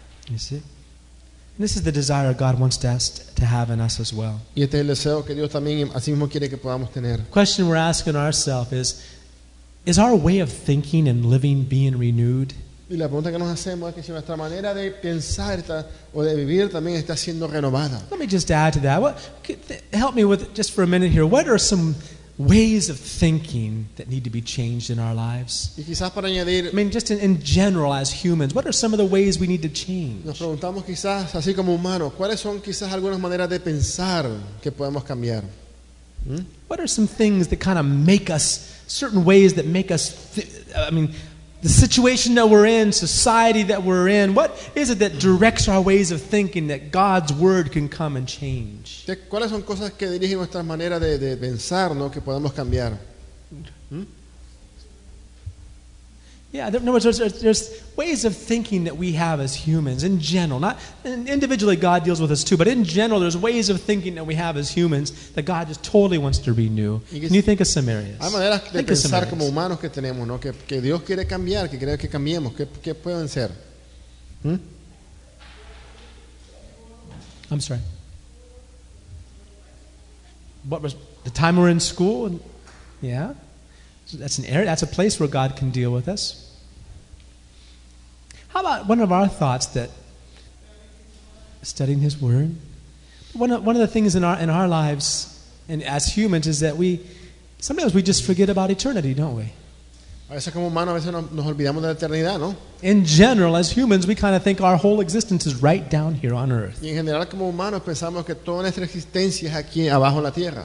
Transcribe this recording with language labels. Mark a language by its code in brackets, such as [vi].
[en] You see? This is the desire God wants us to have in us as well. [es] Y este es el deseo que Dios también así mismo quiere que podamos tener. [en] The question we're asking ourselves is our way of thinking and living being renewed? [es] Y la pregunta que nos hacemos es que si nuestra manera de pensar está, o de vivir también está siendo renovada. [en] Let me just add to that. Help me with just for a minute here. What are some ways of thinking that need to be changed in our lives? [es] Y quizás para añadir, [en] I mean, just in general, as humans, what are some of the ways we need to change? [es] Nos preguntamos quizás, así como humanos, ¿cuáles son quizás algunas maneras de pensar que podemos cambiar? [en] What are some things that kind of make us, certain ways that make us, the situation that we're in, society that we're in, what is it that directs our ways of thinking that God's word can come and change? [es] ¿Cuáles son cosas que dirigen nuestras maneras de pensar, no, que podemos cambiar? [en] There's ways of thinking that we have as humans in general. Not individually, God deals with us too, but in general, there's ways of thinking that we have as humans that God just totally wants to renew. Can you think of some areas? [es] Hay maneras de pensar como humanos que tenemos, ¿no? Que Dios quiere cambiar, que quiere que cambiemos. ¿Qué pueden ser? [en] I'm sorry. What was the time we're in school? Yeah. So that's an area, that's a place where God can deal with us. How about one of our thoughts that studying his word? One of the things in our lives and as humans is that sometimes we just forget about eternity, don't we? [es] A veces como humanos a veces nos olvidamos de la eternidad, ¿no? [en] In general, as humans, we kind of think our whole existence is right down here on earth. [es] Y en general como humanos pensamos que toda nuestra existencia es aquí abajo en la tierra.